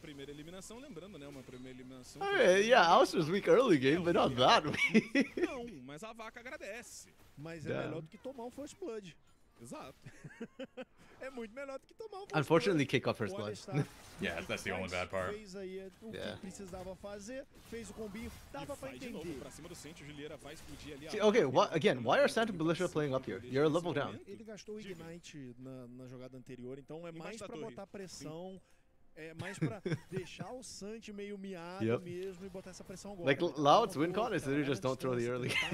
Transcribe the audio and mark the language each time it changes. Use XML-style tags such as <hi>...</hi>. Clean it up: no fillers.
<en>Yeah, Alistar's weak early game, but not that weak.</en> <pt>Não, mas a vaca agradece. Mas é melhor do que tomar um first blood. Exato. É muito melhor do que tomar um</pt> <en>first. Unfortunately, kick off first blood. Yeah, that's the only bad part.</en> <pt>Fez aí o que precisava fazer, fez o combinho, dava pra entender. Pra cima do centro, Juliera vai explodir ali.</pt> <en>Okay, again, why are Santa Militia playing up here? You're a level down.</en> <pt>Ele gastou o Ignite na jogada anterior, então é mais pra botar pressão. É mais pra deixar o Santi meio miado</pt> <en>yep.</en> <pt>mesmo e botar essa pressão agora.</pt> <en>Like, Loud's win con is they just don't throw the early</en>